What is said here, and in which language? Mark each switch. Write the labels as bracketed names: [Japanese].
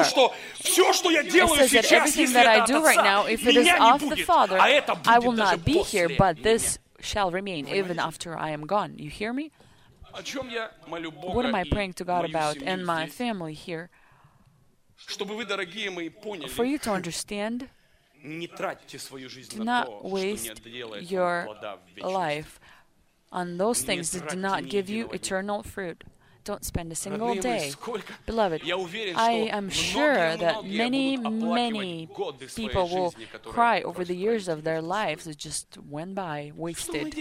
[English] It says that everything that I do right now, if it is of the Father, I will not be here, but this shall remain even after I am gone. You hear me? What am I praying to God about and my family here? For you to understand, [Russian] не тратьте свою жизнь на то, что не отделяет вам плода в вечности. [English] Your life on those things that do not give you eternal fruit. Don't spend a single day. Beloved, I am sure that many, many people will cry over the years of their lives that just went by, wasted.